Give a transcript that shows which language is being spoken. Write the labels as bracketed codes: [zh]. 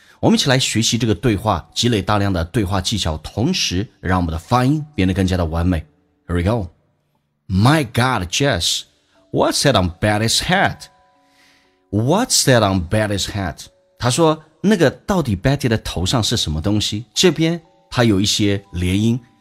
[zh] 我们一起来学习这个对话，积累大量的对话技巧，同时让我们的发音变得更加的完美。 [en] Here we go。 My God, Jess, what's that on Betty's hat? What's that on Betty's hat? [zh] 他说那个到底 Betty 的头上是什么东西，这边他有一些连音。